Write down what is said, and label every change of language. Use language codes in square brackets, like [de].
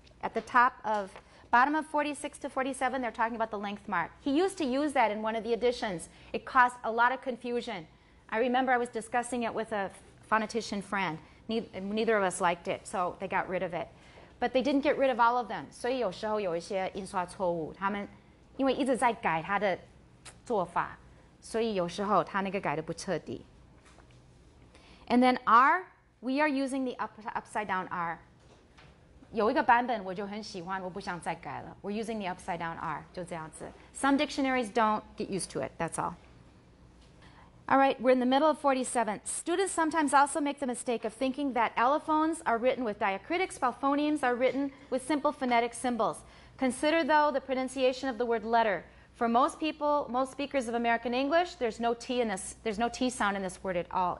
[en] At the top of, bottom of 46 to 47, they're talking about the length mark. He used to use that in one of the editions. It caused a lot of confusion. I remember I was discussing it with a phonetician friend. Neither of us liked it, so they got rid of it. But they didn't get rid of all of them. [zh] 所以有时候有一些印刷错误,他们因为一直在改他的做法,所以有时候他那个改得不彻底. [en] And then R, we are using the upside down R. [zh] 有一个版本我就很喜欢,我不想再改了. [en] We're using the upside down R, [zh] 就这样子. [en] Some dictionaries don't get used to it, that's all. All right, we're in the middle of 47. Students sometimes also make the mistake of thinking that allophones are written with diacritics while phonemes are written with simple phonetic symbols. Consider, though, the pronunciation of the word letter. For most people, most speakers of American English, there's no T in this, there's no T sound in this word at all.